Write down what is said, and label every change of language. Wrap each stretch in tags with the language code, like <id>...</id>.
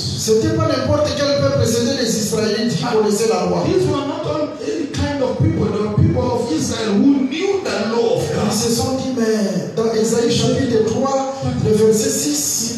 <fr>C'était pas n'importe quel peuple, c'était les Israélites qui connaissaient la loi.</fr> <en>These were not any kind of people, they were people of Israel who knew the law of God.</en> <fr>Ils se sont dit, mais dans Esaïe chapitre 3, le verset 6,</fr>